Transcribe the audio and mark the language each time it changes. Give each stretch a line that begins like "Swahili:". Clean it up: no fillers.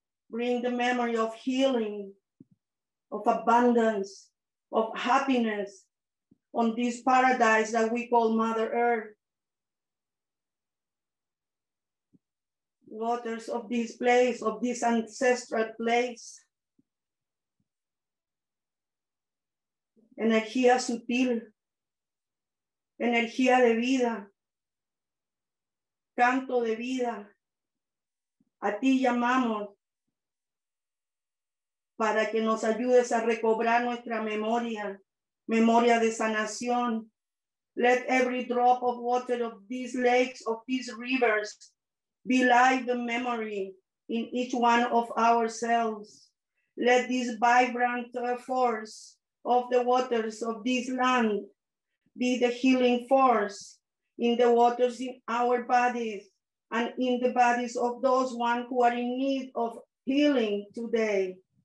English: Bring the memory of healing, of abundance, of happiness on this paradise that we call Mother Earth. Waters of this place, of this ancestral place.
Spanish: Energía sutil, energía de vida, canto de vida. A ti llamamos para que nos ayudes a recobrar nuestra memoria, memoria de sanación.
English: Let every drop of water of these lakes, of these rivers, be like the memory in each one of ourselves. Let this vibrant force of the waters of this land be the healing force in the waters in our bodies and in the bodies of those one who are in need of healing today.